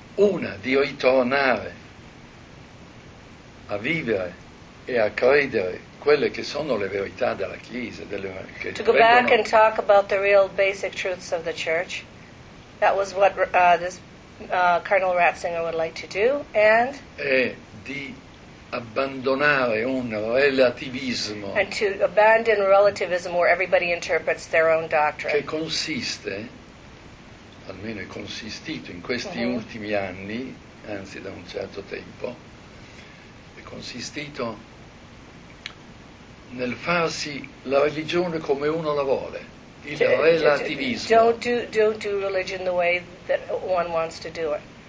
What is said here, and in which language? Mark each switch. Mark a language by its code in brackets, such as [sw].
[it] Una, di ritornare a vivere e a credere quelle che sono le verità della Chiesa. [en] To go back and talk about the real basic truths of the Church. That was what this Cardinal Ratzinger would like to do. And? [it] E di abbandonare un relativismo. [en] And to abandon relativism where everybody interprets their own doctrine. [it] Che consiste, almeno è consistito in questi ultimi anni, anzi da un certo tempo, è consistito nel farsi la religione come uno la vuole, il relativismo. [en] Don't do religion the way that one wants to do it.